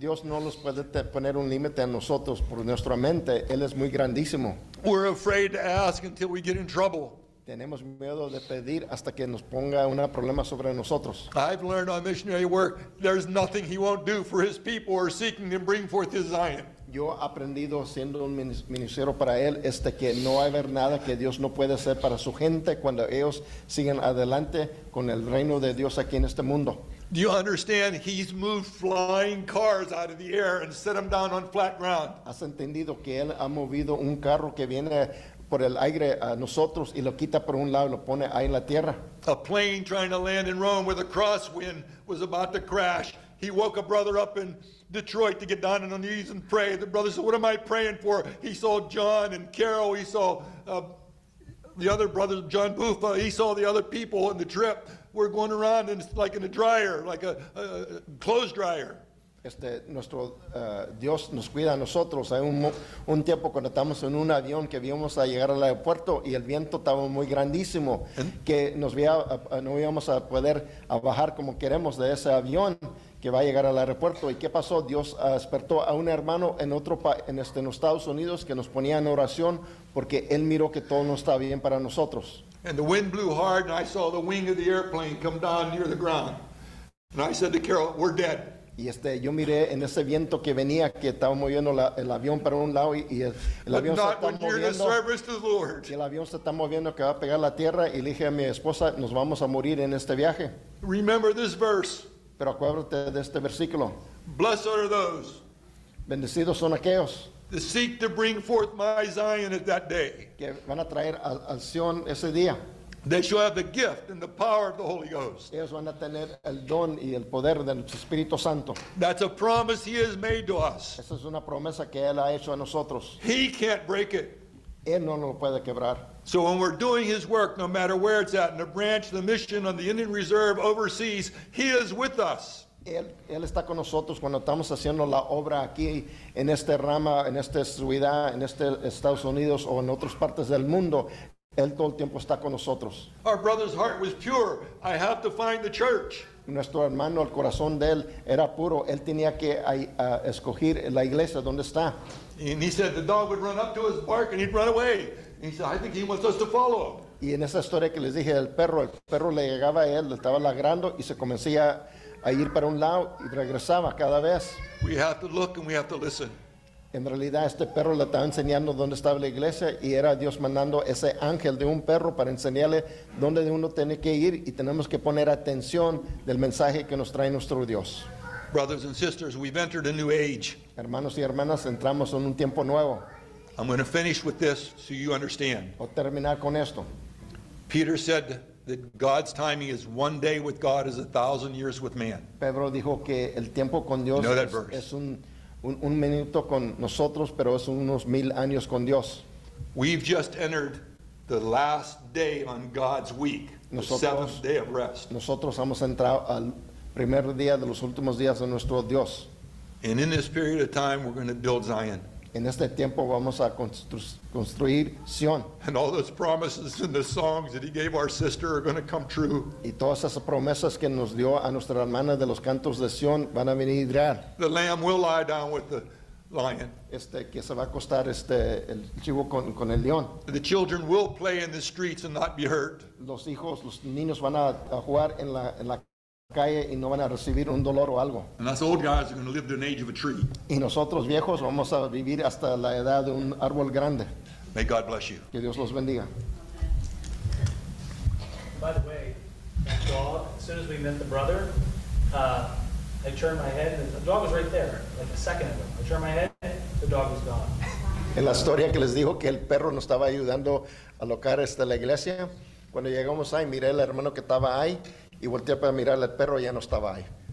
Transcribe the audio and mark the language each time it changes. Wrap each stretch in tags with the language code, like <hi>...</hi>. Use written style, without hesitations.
<es>Dios no nos puede poner un límite a nosotros por nuestra mente. Él es muy grandísimo.</es> <en>We're afraid to ask until we get in trouble.</en> <es>Tenemos miedo de pedir hasta que nos ponga un problema sobre nosotros.</es> <en>I've learned on missionary work, there's nothing he won't do for his people or seeking to bring forth his Zion.</en> <es>Yo he aprendido siendo un ministro para él que no hay ver nada que Dios no puede hacer para su gente cuando ellos siguen adelante con el reino de Dios aquí en este mundo.</es> <en>Do you understand? He's moved flying cars out of the air and set them down on flat ground.</en> <es>¿Has entendido que él ha movido un carro que viene por el aire a nosotros y lo quita por un lado y lo pone ahí en la tierra?</es> <en>A plane trying to land in Rome with a crosswind was about to crash. He woke a brother up in Detroit to get down on the knees and pray. The brother said, what am I praying for? He saw John and Carol. He saw the other brothers, John Bufa. He saw the other people on the trip. We're going around and it's like in a dryer, like a clothes dryer.</en> <es>Nuestro Dios nos cuida a nosotros. Hay un tiempo cuando estamos en un avión que íbamos a llegar al aeropuerto y el viento estaba muy grandísimo que no íbamos a poder bajar como queremos de ese avión que va a llegar al aeropuerto. ¿Y qué pasó? Dios despertó a un hermano en otro en Estados Unidos que nos ponía en oración porque él miró que todo no estaba bien para nosotros.</es> <en>And the wind blew hard and I saw the wing of the airplane come down near the ground. And I said to Carol, we're dead.</en> <es>Y yo miré en ese viento que venía, que estaba moviendo el avión para un lado y el avión se está moviendo. Y el avión se está moviendo que va a pegar la tierra y le dije a mi esposa, nos vamos a morir en este viaje.</es> <en>Remember this verse.</en> <es>Pero acuérdate de este versículo.</es> <en>Blessed are those.</en> <es>Bendecidos son aquellos.</es> <en>To seek to bring forth my Zion at that day.</en> <es>Que van a traer a Sion ese día.</es> <en>They shall have the gift and the power of the Holy Ghost.</en> <es>Ellos van a tener el don y el poder del Espíritu Santo.</es> <en>That's a promise he has made to us.</en> <es>Esa es una promesa que él ha hecho a nosotros.</es> <en>He can't break it.</en> <es>Él no lo puede quebrar.</es> <en>So when we're doing his work, no matter where it's at, in the branch, the mission, on the Indian Reserve, overseas, he is with us.</en> <es>Él está con nosotros cuando estamos haciendo la obra aquí, en este rama, en esta ciudad, en este Estados Unidos o en otras partes del mundo. Él todo el tiempo está con nosotros.</es> <en>Our brother's heart was pure. I have to find the church.</en> <es>Nuestro hermano, el corazón de él era puro. Él tenía que escoger la iglesia donde está.</es> <en>And he said the dog would run up to us, bark, and he'd run away. And he said, I think he wants us to follow.</en> <es>Y en esa historia que les dije del perro, el perro le llegaba a él, le estaba ladrando y se comencía a ir para un lado y regresaba cada vez.</es> <en>We have to look and we have to listen.</en> <es>En realidad, este perro le estaba enseñando dónde estaba la iglesia y era Dios mandando ese ángel de un perro para enseñarle dónde uno tiene que ir y tenemos que poner atención del mensaje que nos trae nuestro Dios.</es> <en>Brothers and sisters, we've entered a new age.</en> <es>Hermanos y hermanas, entramos en un tiempo nuevo.</es> <en>I'm going to finish with this so you understand.</en> <es>O terminar con esto.</es> <en>Peter said that God's timing is one day with God is a thousand years with man.</en> <es>Pedro dijo que el tiempo con Dios es un minuto con nosotros, pero es unos mil años con Dios.</es> <en>We've just entered the last day on God's week, the seventh day of rest.</en> <es>Nosotros hemos entrado al primer día de los últimos días de nuestro Dios.</es> <en>And in this period of time, we're going to build Zion.</en> <es>En este tiempo vamos a construir Sion.</es> <en>And all those promises in the songs that he gave our sister are going to come true.</en> <es>Y todas esas promesas que nos dio a nuestra hermana de los cantos de Sion van a venir real.</es> <en>The lamb will lie down with the lion.</en> <es>Que se va a acostar el chivo con el león.</es> <en>The children will play in the streets and not be hurt.</en> <es>Los hijos, los niños van a jugar en la calle y no van a recibir un dolor o algo.</es> <en>And us old guys are going to live to an age of a tree.</en> <es>Y nosotros viejos vamos a vivir hasta la edad de un árbol grande.</es> <en>May God bless you.</en> <es>Que Dios los bendiga.</es> <en>By the way, the dog, as soon as we met the brother, I turned my head and the dog was right there, like a second ago. I turned my head, the dog was gone.</en> <es>En la historia que les dijo que el perro nos estaba ayudando a locar la iglesia, cuando llegamos ahí miré al hermano que estaba ahí y volteé para mirar al perro y ya no estaba ahí.</es>